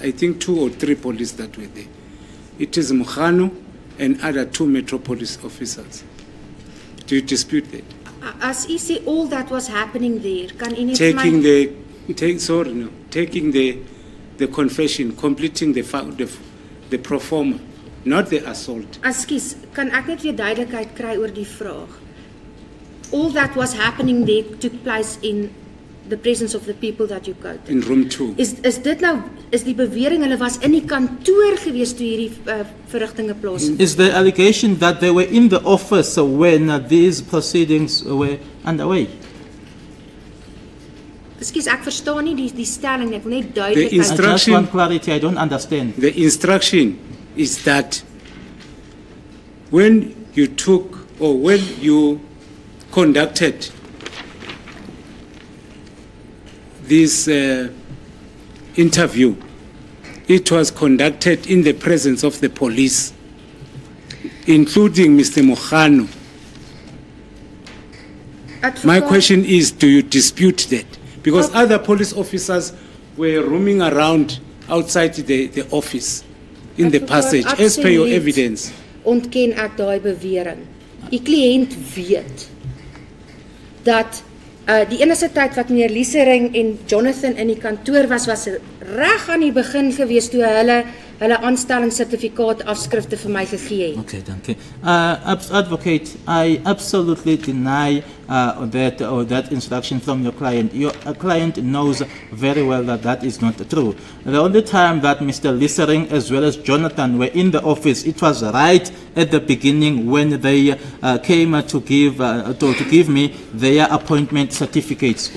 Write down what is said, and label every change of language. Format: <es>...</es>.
<en>I think two or three police that were there. It is Mukhano and other two Metropolis officers. Do you dispute that? As you say, all that was happening there, can any taking taking the confession, completing the pro forma, not the assault.</en> <af>Askies, kan ek net weer duidelikheid kry oor die vraag?</af> <en>All that was happening there took place in the presence of the people that you quoted. In room 2.</en> <af>Is dit nou, is die bewering hulle was in die kantoor gewees toe hierdie verrigtinge plaasvind?</af> <en>Is the allegation that they were in the office when these proceedings were underway?</en> <af>Excuse, ek verstaan nie die stelling, ek wil net</af> <en>duidelik. I just want clarity, I don't understand. The instruction is that when you took or when you conducted this interview, it was conducted in the presence of the police, including Mr. Mukhano. My question is, do you dispute that? Because other police officers were roaming around outside the office in the passage, as per your evidence.</en> <af>Ontken ek daai bewering. Die kliënt weet dat die enigste tyd wat meneer Liesering en Jonathan in die kantoor was, was reg aan die begin gewees toe hulle aanstellingssertifikaat afskrifte vir my gegee het. Okay, dankie.</af> <en>Advocate, I absolutely deny that instruction from your client. Your client knows very well that that is not true. The only time that Mr. Liesering as well as Jonathan were in the office, it was right at the beginning when they came to give me their appointment certificates.</en>